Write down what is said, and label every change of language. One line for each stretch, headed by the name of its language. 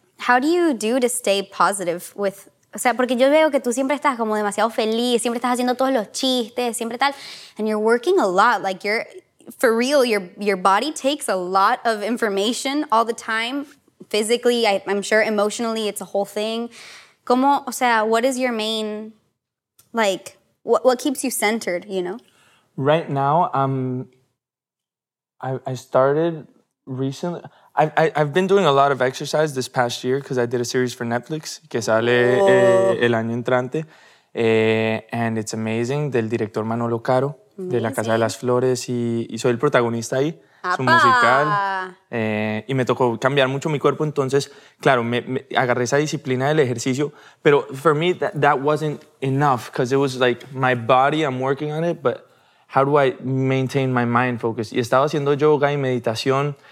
English: How do you do to stay positive with...
Spanish: O sea, porque yo veo que tú siempre estás como demasiado feliz, siempre estás haciendo todos los chistes, siempre tal.
English: And you're working a lot. Like, you're, for real, your body takes a lot of information all the time. Physically, I'm sure emotionally, it's a whole thing.
Spanish: ¿Cómo, o sea,
English: what is your main, like, what keeps you centered, you know? Right now, I started recently... I've been doing a lot of exercise this past year because I did a series for Netflix
Spanish: que sale el año entrante
English: and it's amazing
Spanish: del director
English: Manolo Caro amazing.
Spanish: De La Casa de las Flores y soy el protagonista ahí ¡apa! Su musical y me tocó cambiar mucho mi cuerpo entonces claro me agarré esa disciplina del ejercicio
English: pero for me that wasn't enough because it was like my body I'm working on it but how do I maintain my mind focus
Spanish: y estaba haciendo yoga y meditación.